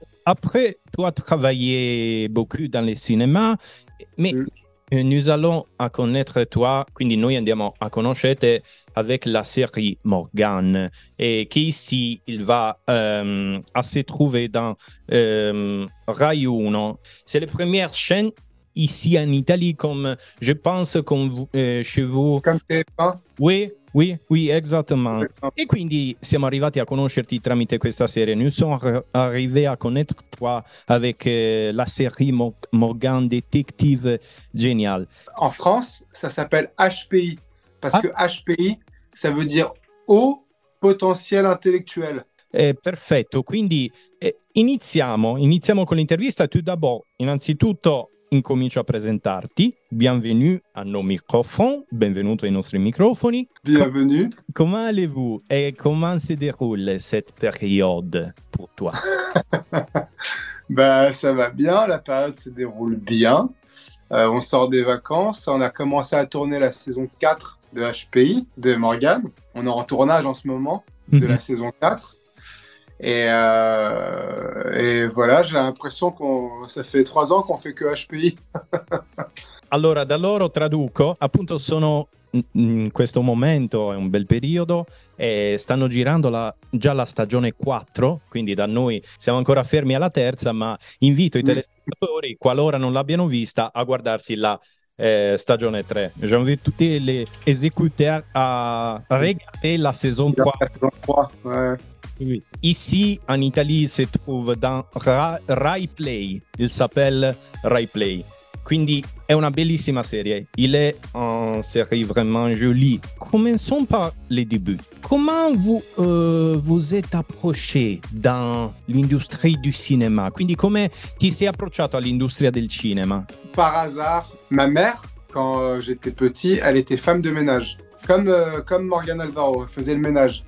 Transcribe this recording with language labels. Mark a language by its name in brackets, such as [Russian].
[French] Après, tu as travaillé beaucoup dans les cinémas, mais nous allons à connaître toi, [Italian] quindi noi andiamo a conoscerte [French] avec la série Morgan, et qui ici il va à se trouver dans Rai 1. C'est la première chaîne ici en Italie, comme je pense chez vous. Comme TF1. Oui. Oui, oui, exactement. [Italian] Et quindi siamo arrivati a conoscerti tramite questa serie. [French] Nous sommes arrivés à connaître toi avec la série Morgan, détective génial. En France, ça s'appelle HPI, parce que HPI, ça veut dire haut potentiel intellectuel. [Italian] Perfetto, quindi iniziamo con l'intervista. [French] Tu d'abord, [Italian] innanzitutto, incomincio a presentarti. [French] Bienvenue à nos microphones. [Italian] Benvenuto ai nostri microfoni. [French] Bienvenue. Comment allez-vous et comment se déroule cette période pour toi? Bah, ça va bien, la période se déroule bien. On sort des vacances, on a commencé à tourner la saison 4 de HPI, de Morgan. On est en tournage en ce moment de la saison 4. Et voilà, j'ai l'impression que ça fait 3 ans qu'on fait que HPI. [Italian] Allora, da loro traduco, appunto sono in questo momento, è un bel periodo, e stanno girando già la stagione 4, quindi da noi siamo ancora fermi alla terza, ma invito i telespettatori, qualora non l'abbiano vista, a guardarsi la stagione 3. [French] J'invite [Italian] tutti [French] les exécuteurs à regarder la saison 4. Ici, en Italie, [Italian] si trova [French] dans Rai Play, il s'appelle Rai Play. [Italian] Quindi è una bellissima serie. Il è una serie [French] vraiment jolie. Commençons par les débuts. Comment vous vous êtes approché dans l'industrie du cinéma? [Italian] Quindi come ti sei approcciato all'industria del cinema? [French] Par hasard, ma mère, quand j'étais petit, elle était femme de ménage. Comme Morgan Alvaro, elle faisait le ménage.